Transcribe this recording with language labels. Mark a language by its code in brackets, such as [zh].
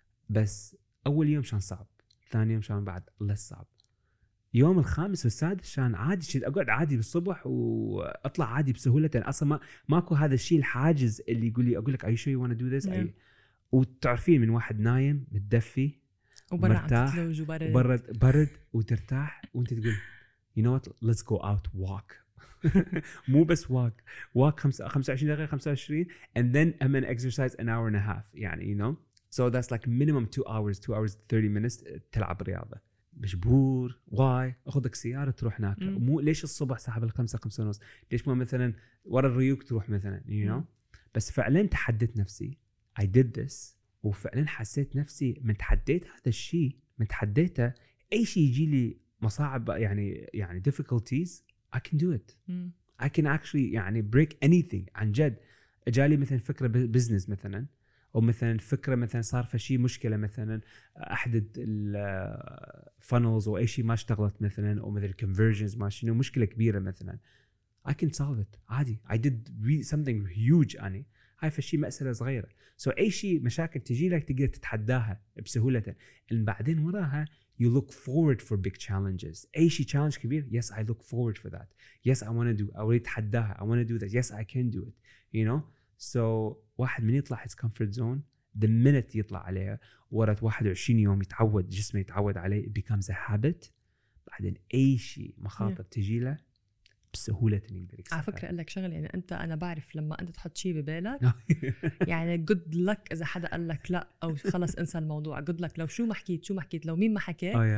[ar] بس اول يوم شان صعب، ثاني يوم شان بعد less صعب، يوم الخامس والسادس شان عادي، شد اقعد عادي بالصبح واطلع عادي بسهولة، اصلا ماكو هذا الشيء الحاجز اللي يقولي اقولك [en] are you sure you wanna do this. [ar] وتعرفين من واحد نايم متدفي مرتاح برد برد وترتاح وانت تقول [en] you know what let's go out walk مو بس walk walk 25 دقيقة 25 and then I'm gonna exercise an hour and a half يعني you know so that's like minimum 2 hours 30 minutes [ar] تلعب رياضة. مجبور why أخذك سيارة تروح هناك مو ليش الصبح صاحب الخمسة خمسة ونص ليش مو مثلا ورا الريوك تروح مثلا you know بس فعلا تحدث نفسي [en] I did this [ar] وفعلا حسيت نفسي من تحديت هذا الشيء من تحديته أي شيء يجي لي مصاعب يعني difficulties [en] I can do it I can actually [ar] يعني [en] break anything. [ar] عن جد جالي مثلا فكرة بزنس مثلا أو مثلا فكرة مثلا صار في شيء مشكلة مثلا أحدد الفنلز أو أي شيء ما اشتغلت مثلا أو مثلا conversions ما شنو مشكلة كبيرة مثلا [en] I can solve it [ar] عادي [en] I did something huge [ar] يعني هاي فشي مسألة صغيرة. So أي شيء مشاكل تجي لك تقدر تتحداها بسهولة. إن بعدين وراها [en] you look forward for big challenges. أي شيء challenge كبير yes I look forward for that. Yes I wanna do. I wanna تحداها. I wanna do that. Yes I can do it. You know. [ar] So واحد من يطلع [en] his comfort zone the minute [ar] يطلع عليها ورد 21 يوم يتعود جسمه يتعود عليه [en] it becomes a habit. [ar] بعدين أي شيء مخاطر تجي له بسهولة نقدر على فكرة أقول لك شغل يعني أنت أنا بعرف لما أنت تحط شيء ببالك يعني [en] good luck [ar] إذا حدا قال لك لا أو خلص انسى الموضوع good luck لو شو ما حكيت شو ما حكيت لو مين ما حكيت